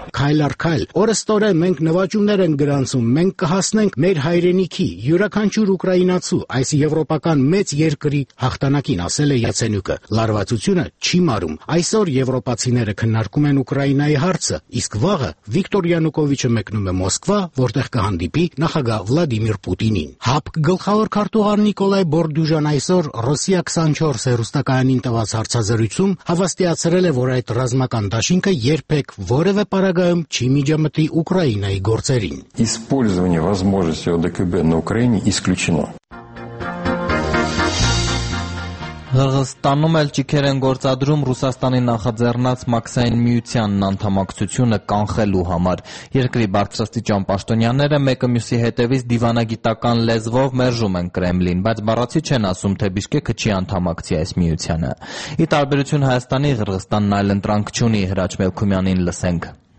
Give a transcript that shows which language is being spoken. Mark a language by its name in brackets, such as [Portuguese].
[Armenian] Քայլ առ քայլ, օրը-ստորը մենք նվաճումներ են գրանցում, մենք կհասնենք մեր հայրենիքի, յուրաքանչյուր ուկրաինացու, այս եվրոպական մեծ երկրի հաղթանակին, ասել է Յացենյուկը։ Լարվածությունը չի մարում։ Այսօր եվրոպացիները քննարկում են Ուկրաինայի հարցը, իսկ վաղը Վիկտոր Յանուկովիչը մեկնում է Մոսկվա, որտեղ կհանդիպի նախագահ Վլադիմիր Պուտինին։ ՀԱՊ գլխավոր քարտուղար Նիկոլայ Բորդյուժան այսօր Ռոսիա 24 հեռուստակայանին տված հարցազրույցում ընթացքում հավաստիացրել է, որ այդ ռազմական դաշինքը երբեք որևէ պարագայում չի միջամտի Ուկրաինայի գործերին։ [Russian] Использование возможности ОДКБ на Украине исключено. [Armenian] Հրգստանում էլ ճիքեր են գործադրում Ռուսաստանի նախաձեռնած Մաքսային միությանն անդամակցությունը կանխելու համար։ Երկրի բարձրաստիճան պաշտոնյաները մեկը մյուսի հետևից դիվանագիտական լեզվով մերժում են Կրեմլին, բայց բառացի չեն ասում, թե Բիշկեքը չի անդամակցի այս միությանը։ Ի տարբերություն Հայաստանի, Հրգստանն այլ ընտրանք չունի, Հրաչ Մելքումյանին լսենք։